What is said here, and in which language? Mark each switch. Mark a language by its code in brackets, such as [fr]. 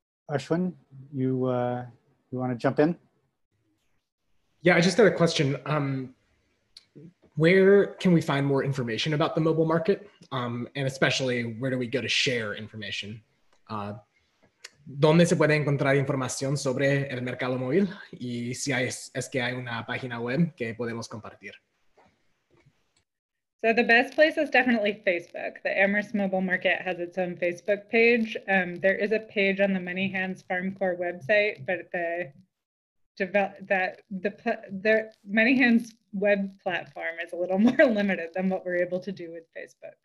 [en] Ashwin, you want to jump in? Yeah, I just had a question. Where can we find more information about the mobile market? And especially, where do we go to share information? [es] ¿Dónde se puede encontrar información sobre el mercado móvil? Y si es que hay una página web que podemos compartir. [en] So the best place is definitely Facebook. The Amherst Mobile Market has its own Facebook page. There is a page on the Many Hands Farm Corps website, but Many Hands web platform is a little more limited than what we're able to do with Facebook.